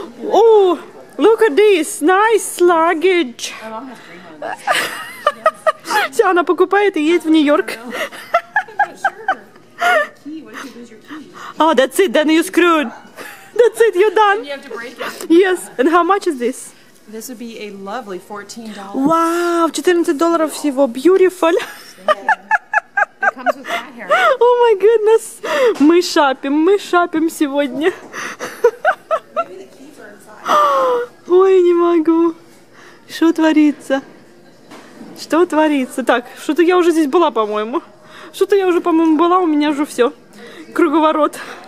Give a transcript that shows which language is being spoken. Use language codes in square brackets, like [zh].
[en] О, look at this, nice luggage. [ru] Все, она покупает и едет в Нью-Йорк. [en] Oh, that's it, then you screwed. That's it, you're done. Yes, and how much is this? This would be a lovely $14. Wow, $14 [ru] всего, [en] beautiful. Oh my goodness, [ru] мы шапим сегодня. Ой, не могу. Что творится? Что творится? Так, что-то я уже здесь была, по-моему. Что-то я уже, по-моему, была, у меня уже все. Круговорот.